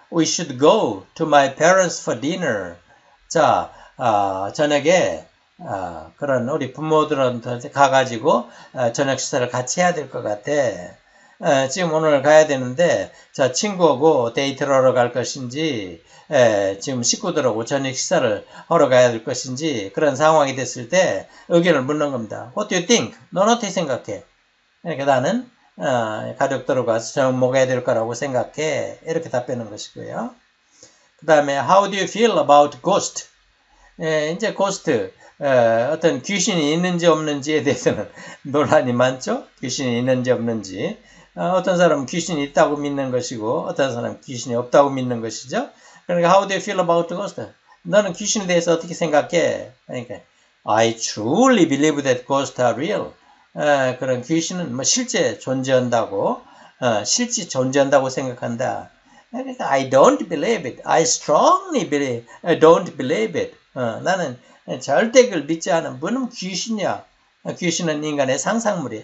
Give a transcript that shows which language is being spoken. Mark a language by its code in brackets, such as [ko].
[en] We should go to my parents for dinner. [ko] 자, 저녁에 그런 우리 부모들한테 가가지고 저녁 식사를 같이 해야 될 것 같아. 지금 오늘 가야 되는데, 자 친구하고 데이트를 하러 갈 것인지, 지금 식구들하고 저녁 식사를 하러 가야 될 것인지 그런 상황이 됐을 때 의견을 묻는 겁니다. [en] What do you think? [ko] 넌 어떻게 생각해? 이렇게 나는 가족들을 가서 저녁 먹어야 될 거라고 생각해. 이렇게 답변하는 것이고요. 그 다음에 [en] How do you feel about ghost? [ko] 이제 ghost 어떤 귀신이 있는지 없는지에 대해서는 논란이 많죠. 귀신이 있는지 없는지 어떤 사람은 귀신이 있다고 믿는 것이고 어떤 사람은 귀신이 없다고 믿는 것이죠. 그러니까 [en] How do you feel about ghost? [ko] 너는 귀신에 대해서 어떻게 생각해? 그러니까 [en] I truly believe that ghosts are real. [ko] 그런 귀신은 뭐 실제 존재한다고 실제 존재한다고 생각한다. [en] I don't believe it. I strongly believe. I don't believe it. [ko] 나는 절대 그걸 믿지 않아. 뭐는 귀신이야. 귀신은 인간의 상상물이에요.